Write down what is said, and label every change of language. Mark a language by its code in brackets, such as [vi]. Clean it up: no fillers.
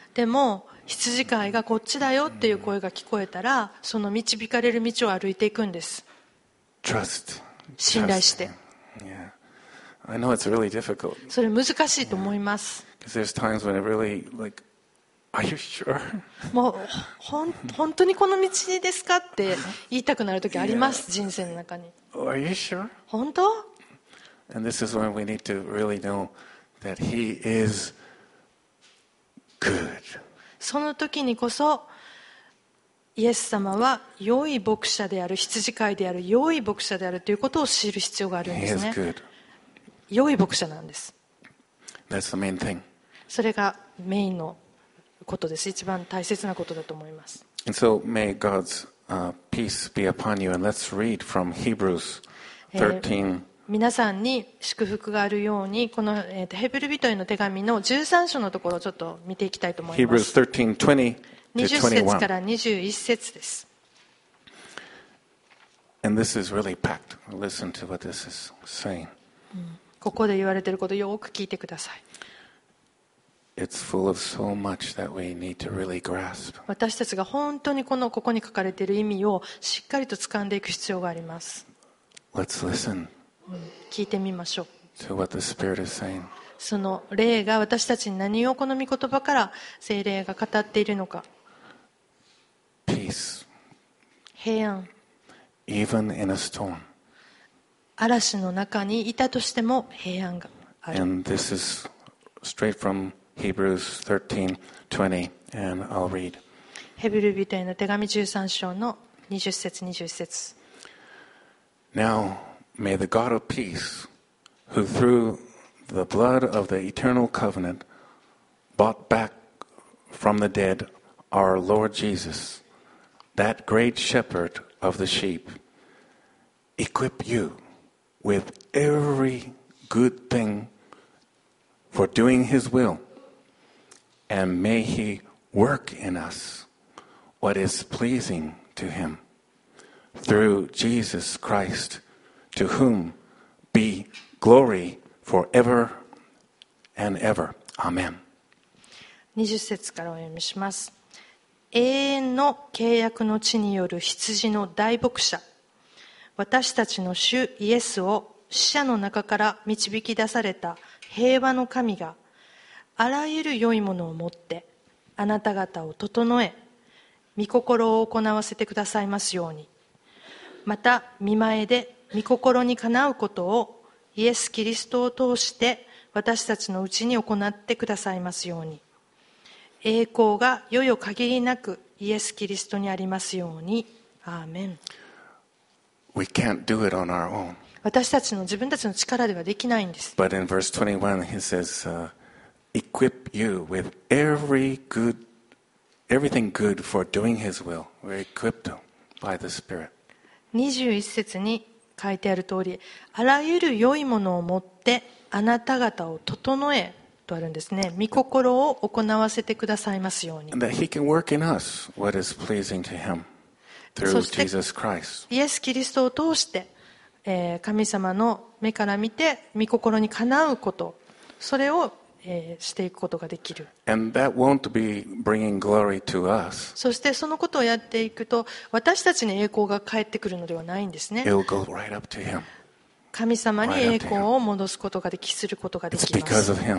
[ja] でも羊飼いがこっちだよっていう声が聞こえたら、その導かれる道を歩いていくんです。 [en] Trust. [ja] 信頼して。 [en] Yeah. I know it's really difficult. [ja] それ難しいと思います。 [en] Because there's times when it really like. Are you sure? [ja] もう本当にこの道ですかって言いたくなる時あります、yeah. 人生の中に。 [en] Are you sure? [ja] 本当？ [en] And this is when we need to really know that he is good. [ja] その時にこそイエス様は良い牧者である、羊飼いである良い牧者であるということを知る必要があるんですね。 [en] He is good. [ja] 良い牧者なんです。 [en] That's the main thing. [ja] それがメインのことです。一番大切なことだと思います。 [en] And so may God's peace be upon you. And let's read from Hebrews 13. [ja] 皆さんに祝福があるようにこのヘブル人への手紙の13章のところをちょっと見ていきたいと思います。 [en] Hebrews 13, 20 to 21. 20 [ja] 節から21節です。 [en] And this is really packed. Listen to what this is saying. [ja] ここで言われていることをよく聞いてください。 [en] It's full of so much that we need to really grasp. [ja] 私たちが本当にこのここに書かれている意味をしっかりと掴んでいく必要があります。 [en] Let's listen. [ja] 聞いてみましょう。 [en] To what the Spirit is saying. [ja] その霊が私たちに何をこの御言葉から聖霊が語っているのか。 [en] Peace. [ja] 平安。 [en] Even in a storm. [ja] 嵐の中にいたとしても平安がある。 [en] And this is straight from Hebrews 13:20, and I'll read. [ja] ヘブル人への手紙13章の20節21節。 [en] Now may the God of peace, who through the blood of the eternal covenant bought back from the dead our Lord Jesus, that great shepherd of the sheep, equip you with every good thing for doing his will. And may he work in us what is pleasing to him through Jesus Christ, to whom be glory forever and ever. Amen. [ja] 20節からお読みします。永遠の契約の地による羊の大牧者、私たちの主イエスを死者の中から導き出された平和の神が、あらゆる良いものを持ってあなた方を整え御心を行わせてくださいますように。また御前で御心にかなうことをイエス・キリストを通して私たちのうちに行ってくださいますように。栄光がよよ限りなくイエス・キリストにありますように。アーメン。 [en] We can't do it on our own. [ja] 私たちの自分たちの力ではできないんです。 [en] But in verse 21 he says Equip you with everything good for doing His will. We're equipped by the Spirit. [ja] 21節に書いてある通り、あらゆる良いものを持ってあなた方を整えとあるんですね。御心を行わせてくださいますように。 [en] That He can work in us what is pleasing to Him through Jesus Christ. [ja] イエス・キリストを通して、神様の目から見て御心にかなうこと、それをしていくことができる。 [en] And that won't be bringing glory to us. [ja] そしてそのことをやっていくと私たちに栄光が返ってくるのではないんですね。 [en] It'll go right up to him. [ja] 神様に栄光を戻すことができすることができます。